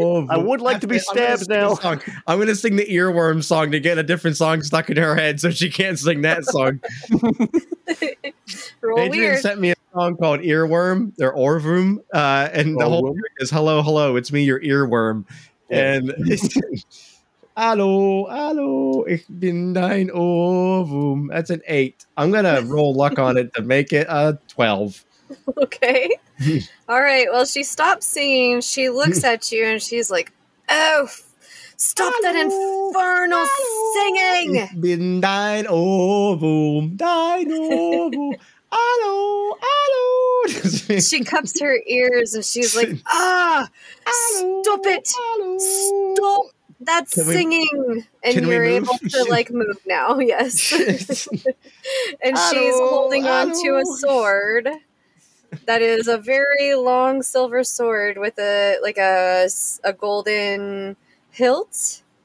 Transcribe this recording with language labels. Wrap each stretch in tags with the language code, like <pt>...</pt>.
<en>I would like to be stabbed now. I'm going to sing the earworm song to get a different song stuck in her head so she can't sing that song. Adrian sent me a song called Earworm or Ohrwurm. And the whole thing is, hello, hello, it's me, your earworm.</en> <de>And hallo, hallo, ich bin dein Ohrwurm.</de> <en>That's an 8. I'm going to roll luck on it to make it a 12. Okay. All right. Well, she stops singing. She looks at you and she's like, oh, stop that infernal singing.</en> <de>Ich bin dein Ohrwurm, dein Ohrwurm. Hallo, hallo.</de> <en>She cups her ears and she's like, ah, stop it. Stop that singing. And you're able to like move now. Yes. And she's holding on to a sword. That is a very long silver sword with a golden hilt.</en>